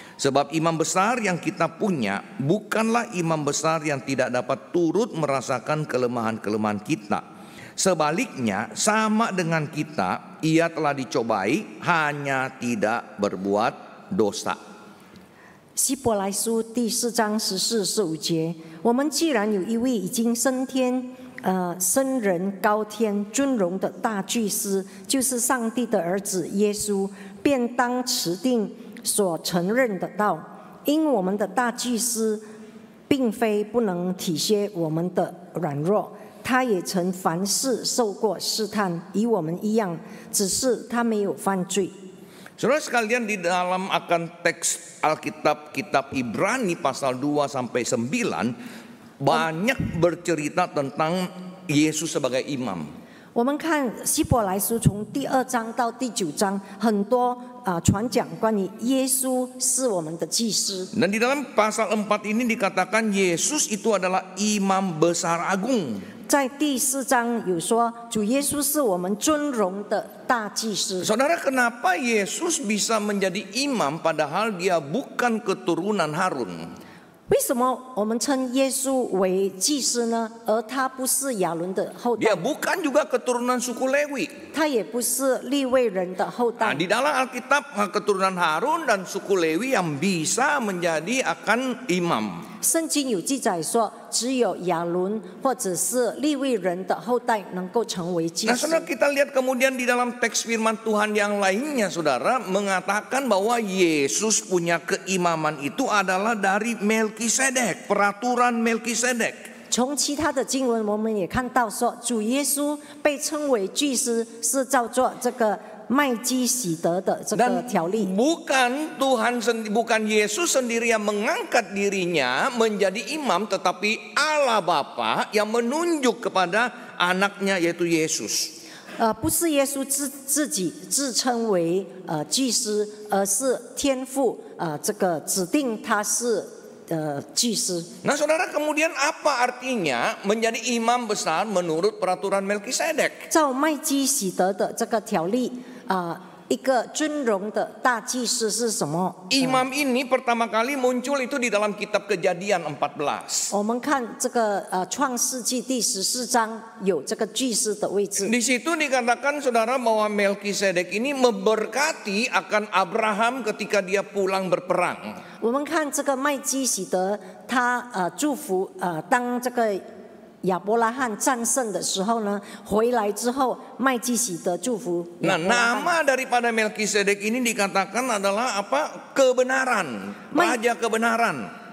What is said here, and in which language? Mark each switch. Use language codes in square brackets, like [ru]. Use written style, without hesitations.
[id] Sebab imam besar yang kita punya bukanlah imam besar yang tidak dapat turut merasakan kelemahan-kelemahan kita. Sebaliknya, sama dengan kita, ia telah dicobai, hanya tidak berbuat dosa. [zh] 希伯来书第四章十四、十五节，我们既然有一位已经升天、升人高天尊荣的大祭司，就是上帝的儿子耶稣，便当持定所承认的道。因我们的大祭司并非不能体贴我们的软弱，他也曾凡事受过试探，与我们一样，只是他没有犯罪。 [id] Saudara sekalian, di dalam akan teks Alkitab kitab Ibrani pasal 2 sampai 9 banyak bercerita tentang Yesus sebagai imam. [zh] 我们看希伯来书从第二章到第九章很多传讲关于耶稣是我们的祭司。 [id] Dan di dalam pasal 4 ini dikatakan Yesus itu adalah imam besar agung. [zh] 在第四章有说主耶稣是我们尊荣的大祭司。 [id] Saudara, kenapa Yesus bisa menjadi imam padahal dia bukan keturunan Harun? [zh] 为什么我们称耶稣为祭司呢？而他不是亚伦的后代。 [id] Dia bukan juga keturunan suku Lewi. [zh] 他也不是利未人的后代。 [id] Di dalam Alkitab keturunan Harun dan suku Lewi yang bisa menjadi akan imam. [zh] 圣经有记载说，只有亚伦或者是利未人的后代能够成为祭司。 [id] Nah, saudara, kita lihat kemudian di dalam teks firman Tuhan yang lainnya, saudara, mengatakan bahwa Yesus punya keimaman itu adalah dari Melkisedek, peraturan Melkisedek. [zh] 从其他的经文我们也看到说，主耶稣被称为祭司是叫做这个麦基洗德的这个条例。 [id] Bukan Yesus sendiri yang mengangkat dirinya menjadi imam, tetapi Allah Bapa yang menunjuk kepada anaknya yaitu Yesus. [zh] 不是耶稣自己自称为祭司，而是天父这个指定他是祭司。 [id] Nah, saudara, kemudian apa artinya menjadi imam besar menurut peraturan Melkisedek? [zh] 照麦基洗德的这个条例一个尊荣的大祭司是什么？ [id] Imam ini pertama kali muncul itu di dalam kitab Kejadian 14. [zh] 我们看这个创世纪第十四章有这个祭司的位置。 [id] Di situ dikatakan saudara bahwa Melkisedek ini memberkati akan Abraham ketika dia pulang berperang. [zh] 我们看这个麦基洗德，他祝福当这个亚伯拉罕战胜的时候呢，回来之后麦基洗德祝福亚伯拉罕。 [id] Nah, nama daripada Melkisedek ini dikatakan adalah apa? Kebenaran, raja kebenaran.